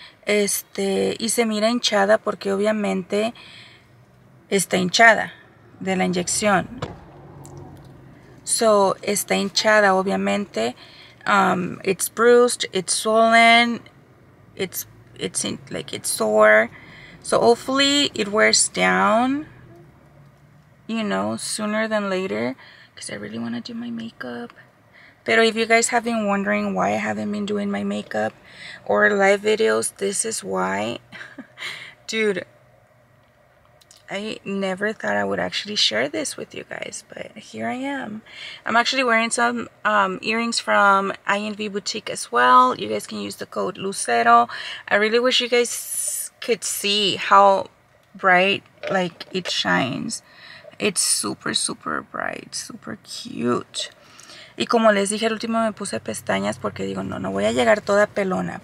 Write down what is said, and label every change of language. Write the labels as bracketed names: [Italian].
[Spanish] Y se mira hinchada porque obviamente está hinchada de la inyección. So, está hinchada, obviamente. [English] It's bruised, it's swollen, it's sore. So, hopefully it wears down. you know, sooner than later, because I really want to do my makeup. But if you guys have been wondering why I haven't been doing my makeup or live videos, this is why. Dude, I never thought I would actually share this with you guys, but here I am. I'm actually wearing some earrings from INV Boutique as well. You guys can use the code Lucero. I really wish you guys could see how bright, like, it shines. It's super, super bright, super cute. [Spanish] Y como les dije, al último me puse pestañas porque digo, no voy a llegar toda pelona.